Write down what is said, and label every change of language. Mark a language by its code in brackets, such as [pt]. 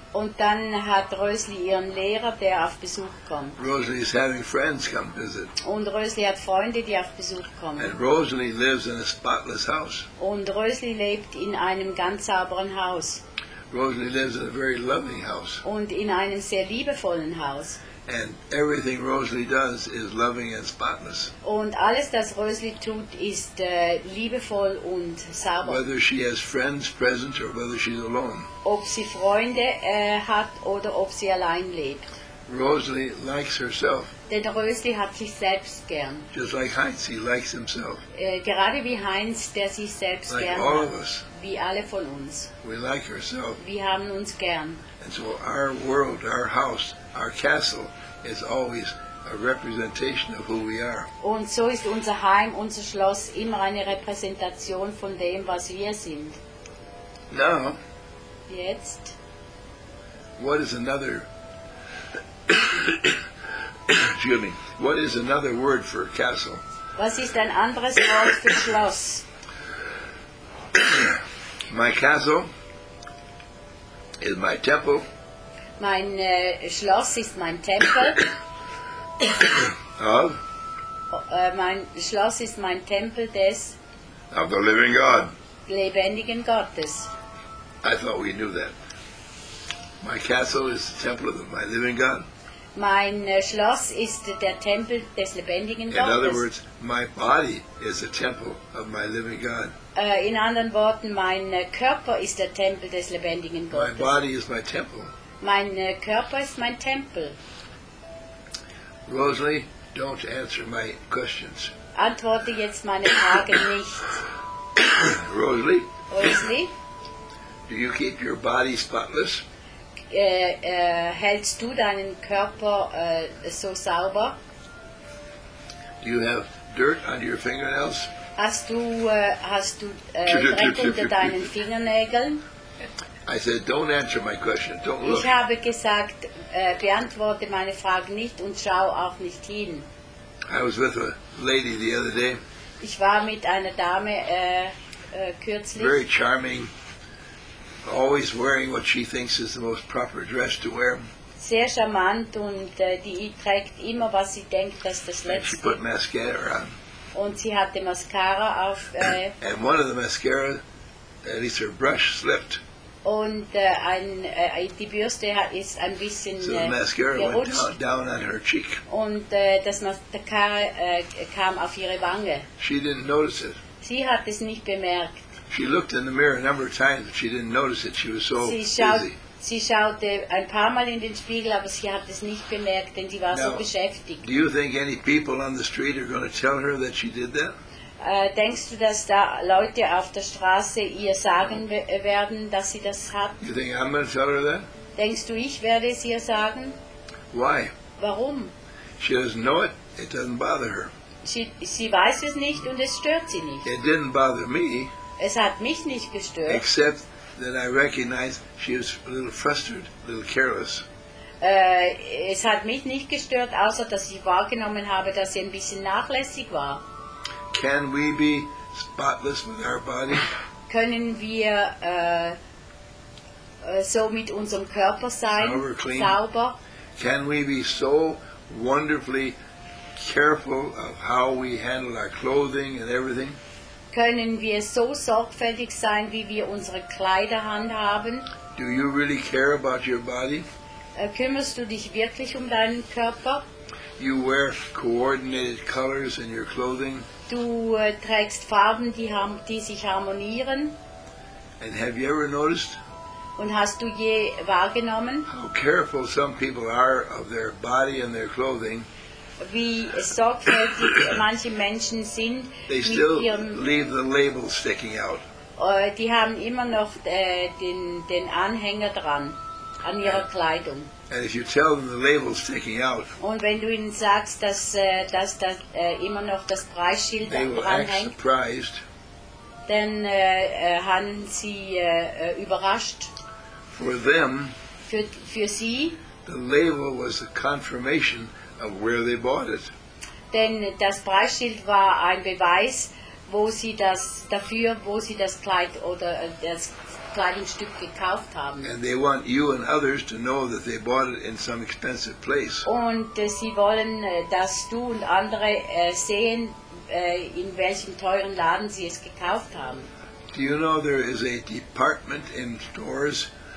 [de] Und dann hat Rosalie ihren Lehrer, der auf Besuch kommt. [en] Rosalie is having friends come visit. [de] Und Rosalie hat Freunde, die auf Besuch kommen. [en] And Rosalie lives in a spotless house. [de] Und Rosalie lebt in einem ganz sauberen Haus. [en] Rosalie lives in a very loving house. [de] Und in einem sehr liebevollen Haus. [en] And everything Rosalie does is loving and spotless. [de] Und alles, das Rosalie tut, ist liebevoll und sauber. [en] Whether she has friends present or whether she's alone. [de] Ob sie Freunde hat oder ob sie allein lebt. [en] Rosalie likes herself. [de] Denn Rosalie hat sich selbst gern. [en] Just like Heinz, he likes himself. [de] Gerade wie Heinz, der sich selbst [en] like [de] gern [en] all [de] hat. [en] Of us. [de] Wie alle von uns. [en] We like herself. [de] Wir haben uns gern. [en] And so our world, our house, our castle is always a representation of who we are. [de] Und so ist unser Heim, unser Schloss immer eine Repräsentation von dem, was wir sind. [en] Now, [de] jetzt, [en] what is another excuse me, what is another word for castle? [de] Was ist ein anderes Wort für Schloss? [en] My castle is my temple. [de] Mein Schloss ist mein Tempel. [en] Of? [de] Mein Schloss ist mein Tempel des [en] of the living God. [de] Lebendigen Gottes. [en] I thought we knew that. My castle is the temple of my living God. [de] Mein Schloss ist der Tempel des lebendigen Gottes. [en] In other words, my body is the temple of my living God. [de] In anderen Worten, mein Körper ist der Tempel des lebendigen Gottes. [en] My body is my temple. [de] Mein Körper ist mein Tempel. [en] Rosalie, don't answer my questions. [de] Antworte jetzt meine Frage nicht. [en] or asleep. Or asleep. Do you keep your body spotless? [de] Hältst du deinen Körper so sauber? [en] Do you have dirt under your fingernails? [de] Hast du Dreck unter deinen Fingernägeln? [en] I said, don't answer my question. Don't look. [de] Ich habe gesagt, beantworte meine Frage nicht und schau auch nicht hin. [en] I was with a lady the other day. [de] Ich war mit einer Dame kürzlich. [en] Very charming. Always wearing what she thinks is the most proper dress to wear. [de] Sehr charmant und die trägt immer, was sie denkt, dass das letzte. [en] She put mascara on. [de] Und sie hatte Mascara auf. [en] And one of the mascara, at least her brush slipped. [de] Und die Bürste ist ein bisschen gerutscht. [en] So the mascara went down on her cheek. [de] Und das Mascara kam auf ihre Wange. [en] She didn't notice it. [de] Sie hat es nicht bemerkt. [en] She looked in the mirror a number of times, but she didn't notice it. She was so busy. [de] Sie schaute ein paar Mal in den Spiegel, aber sie hat es nicht bemerkt, denn sie war so beschäftigt. [en] Do you think any people on the street are going to tell her that she did that? [de] Denkst du, dass da Leute auf der Straße ihr sagen werden, dass sie das hat? [en] You think I'm going to tell her that? [de] Denkst du, ich werde es ihr sagen? [en] Why? [de] Warum? [en] She doesn't know it. It doesn't bother her. [de] Sie weiß es nicht und es stört sie nicht. [en] It didn't bother me. [de] Es hat mich nicht gestört. [en] Except that I recognize she was a little frustrated, a little careless. [de] Es hat mich nicht gestört, außer dass ich wahrgenommen habe, dass sie ein bisschen nachlässig war. [en] Can we be spotless with our body? [de] Können wir so mit unserem Körper sein, sauber? [en] Can we be so wonderfully careful of how we handle our clothing and everything? [de] Können wir so sorgfältig sein, wie wir unsere Kleider handhaben? [en] Do you really care about your body? [de] Kümmerst du dich wirklich um deinen Körper? [en] You wear coordinated colors in your clothing. [de] Du trägst Farben, die sich harmonieren. [en] And have you ever noticed? [de] Und hast du je wahrgenommen? [en] How careful some people are of their body and their clothing. [de] Wie sorgfältig manche Menschen sind. [en] They still leave the label sticking out. [de] Die haben immer noch den Anhänger dran an ihrer Kleidung. [en] And if you tell them the label sticking out. [de] Und wenn du ihnen sagst, dass immer noch das Preisschild dran hängt. [en] They will act surprised. [de] Dann handeln sie überrascht. [en] For them. [de] Für sie. [en] The label was a confirmation of where they bought it. [de] Denn das Preisschild war ein Beweis, wo sie das Kleid oder das Kleidungsstück gekauft haben. [en] And they want you and others to know that they bought it in some expensive place. [de] Und sie wollen, dass du und andere sehen, in welchem teuren Laden sie es gekauft haben. [en] Do you know there is a department in stores?